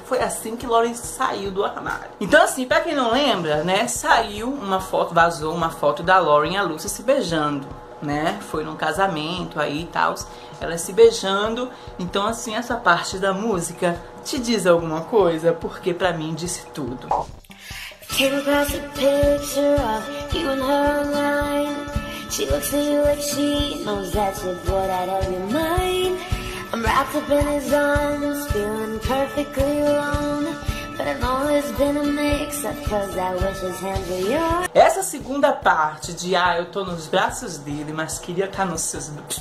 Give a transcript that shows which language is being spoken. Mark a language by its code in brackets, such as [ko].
[pt] Foi assim que Lauren saiu do armário. Então assim, pra quem não lembra, né, saiu uma foto, vazou uma foto da Lauren e a Lucy se beijando, né? Foi num casamento aí e tal, elas se beijando. Então assim, essa parte da música te diz alguma coisa? Porque pra mim disse tudo. [en] Came across a picture of you and her online. She looks at you like she knows that you've got out of your mind. I'm wrapped up in his arms, feeling perfectly alone. But I've always been a mix up cause I wish his hands were yours. [pt] Essa segunda parte de ah, eu tô nos braços dele, mas queria estar nos seus.